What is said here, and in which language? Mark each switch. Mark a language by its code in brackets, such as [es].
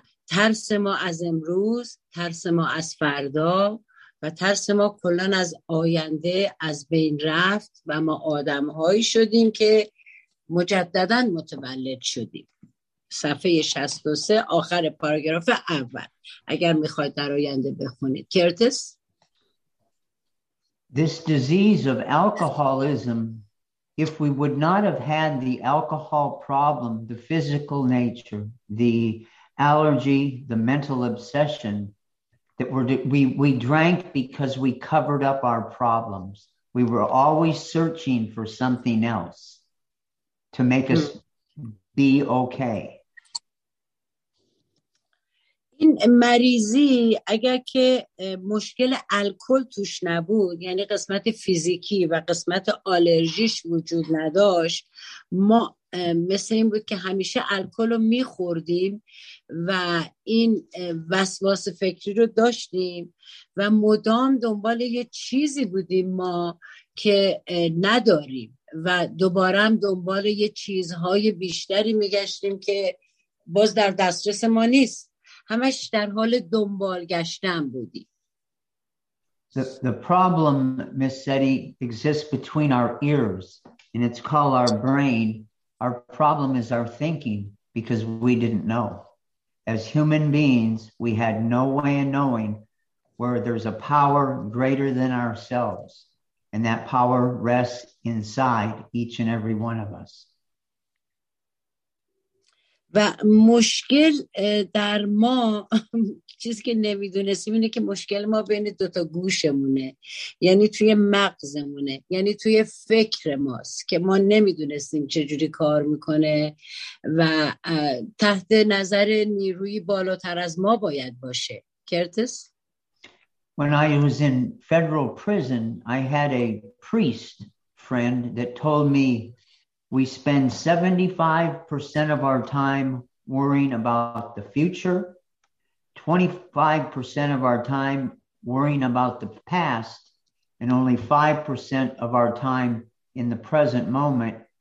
[fa] ترس ما از امروز، ترس ما از فردا و ترس ما کلان از آینده از بین رفت و ما آدم هایی شدیم که مجددن متولد شدیم. صفحه 63 آخر پاراگراف اول اگر میخواید در آینده بخونید. کرتیس: [en] This disease of alcoholism, if we would not have had the alcohol problem, the physical nature, the allergy, the mental obsession, that we drank because we covered up our problems. We were always searching for something else to make us be okay. [fa] این مریضی اگر که مشکل الکل توش نبود، یعنی قسمت فیزیکی و قسمت آلرژیش وجود نداشت، ما مثل این بود که همیشه الکل رو میخوردیم و این وسواس فکری رو داشتیم و مدام دنبال یه چیزی بودیم ما که نداریم و دوباره هم دنبال یه چیزهای بیشتری میگشتیم که باز در دسترس ما نیست، همش در حال دنبال گشتن بودیم. [en] The problem, Miss Seti, exists between our ears and it's called our brain. Our problem is our thinking because we didn't know. As human beings, we had no way of knowing where there's a power greater than ourselves. And that power rests inside each and every one of us. [fa] و مشکل در ما چیزی که نمیدونستیم اینه که مشکل ما بین دوتا گوشمونه، یعنی توی مغزمونه، یعنی توی فکر ماست که ما نمیدونستیم چجوری کار میکنه و تحت نظر نیروی بالاتر از ما باید باشه. کرتیس: [en] When I was in federal prison, I had a priest friend that told me we spend 75% of our time worrying about the future, 25% of our time worrying about the past, and only 5% of our time in the present moment.